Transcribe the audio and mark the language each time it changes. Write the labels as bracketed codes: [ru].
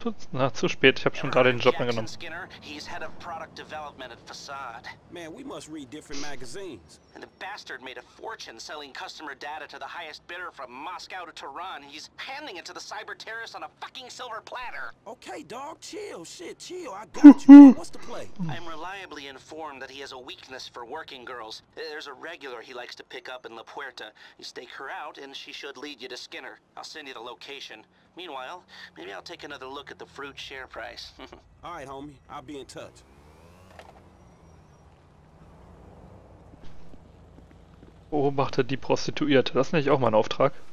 [de] Na, zu spät, ich habe schon gerade den Job angenommen. [en] Skinner, he's head of product development at Facade. Man, we must read different magazines. And the bastard made a fortune selling customer data to the highest bidder from Moscow to Tehran. He's handing it to the cyber terrorist on a fucking silver platter. Okay, dog, chill, shit, chill. I got you. What's the play? I'm reliably informed that he has a weakness for working girls. There's a regular he likes to pick up in La Puerta. You stake her out and she should lead you to Skinner. I'll send you the location. Meanwhile, maybe I'll take another look at the fruit share price. All right, homie, I'll be in touch. [de] Beobachte die Prostituierte. Das nenne ich auch mal einen Auftrag.